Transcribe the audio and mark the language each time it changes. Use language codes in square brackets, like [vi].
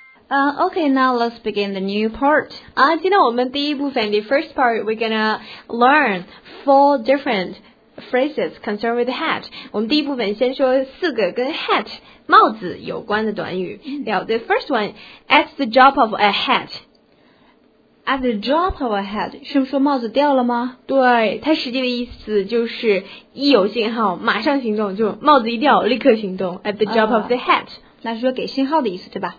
[en] Okay, now let's begin the new part. 今天我们第一部分 the first part, we're gonna learn four different phrases concerned with hat. [zh] 我们第一部分先说四个跟 hat, 帽子有关的短语。 [en] Now, the first one, at the drop of a hat. [zh] At the drop of a hat, 是不是说帽子掉了吗？对，它实际的意思就是一有信号马上行动，就帽子一掉立刻行动。 [en] At the drop of the hat. [zh] 那是说给信号的意思，对吧